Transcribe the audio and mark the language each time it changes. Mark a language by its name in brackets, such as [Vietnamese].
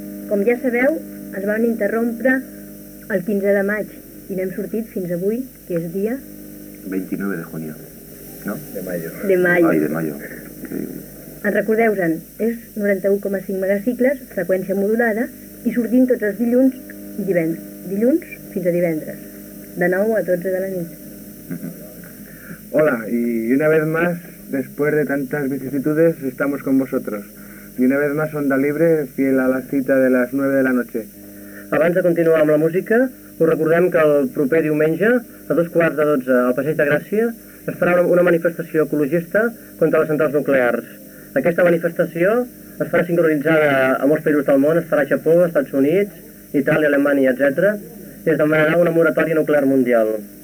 [Catalan] Com ja sabeu, es van interrompre el 15 de maig i n'hem sortit fins avui, que és dia... [Spanish] 29 de junio, no? De mayo. De mayo. Ai, de mayo. [Catalan] En recordeu-se'n, és 91,5 megacicles, freqüència modulada, i sortim tots els dilluns i divendres. Dilluns fins a divendres, de 9 a 12 de la nit. [Spanish] Hola, y una vez más, después de tantas vicisitudes, estamos con vosotros. Y una vez más, Onda Libre, fiel a la cita de las 9 de la noche. [Catalan] Abans de continuar amb la música, us recordem que el proper diumenge, a 11:45, al Passeig de Gràcia, es farà una manifestació ecologista contra les centrals nuclears. Aquesta manifestació es farà sincronitzada a molts països del món, es farà a Japó, Estats Units, Itàlia, Alemanya, etc., i es demanarà una moratòria nuclear mundial.